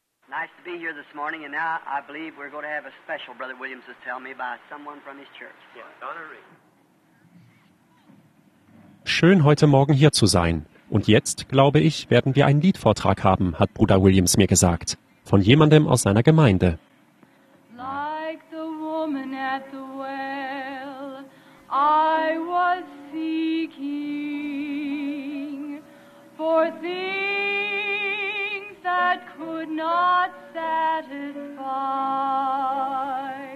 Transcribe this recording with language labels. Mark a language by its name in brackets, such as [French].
[English] Nice to be here this morning, and now I believe we're going to have a special Brother Williams is telling me by someone from his church. [German] Schön, heute Morgen hier zu sein. Und jetzt, glaube ich, werden wir einen Liedvortrag haben, hat Bruder Williams mir gesagt, von jemandem aus seiner Gemeinde. [English] Like the woman at the well, I was seeking for things that could not satisfy.